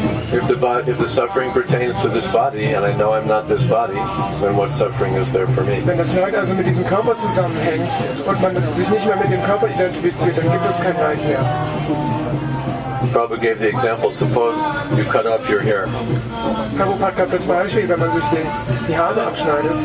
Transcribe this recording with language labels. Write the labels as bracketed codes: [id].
[en] If the body, if the suffering pertains to this body, and I know I'm not this body, then what suffering is there for me? [de] Wenn das Leid also mit diesem Körper zusammenhängt und man sich nicht mehr mit dem Körper identifiziert, dann gibt es kein Leid mehr. [en] Prabhupada gave the example, suppose you cut off your hair. [de] Prabhupada gab das Beispiel, wenn man sich die Haare abschneidet.